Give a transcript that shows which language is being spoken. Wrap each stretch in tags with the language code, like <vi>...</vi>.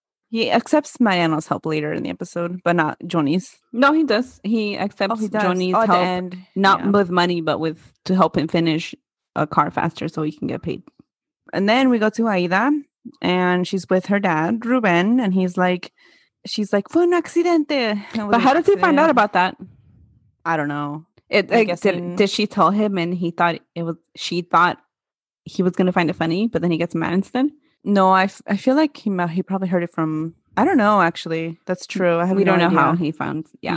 <en>He accepts Mariano's help later in the episode, but not Joni's. No, he does. He accepts Joni's help. End. Not with money, but with to help him finish a car faster so he can get paid. And then we go to Aida and she's with her dad, Ruben. And he's like, she's like,</en> <es>fue un accidente.</es> <en>But how did he find out about that? I don't know. Did she tell him and he thought it was, she thought he was going to find it funny, but then he gets mad instead? No, I feel like he probably heard it from, I don't know, actually. That's true. We don't know how he found.</en>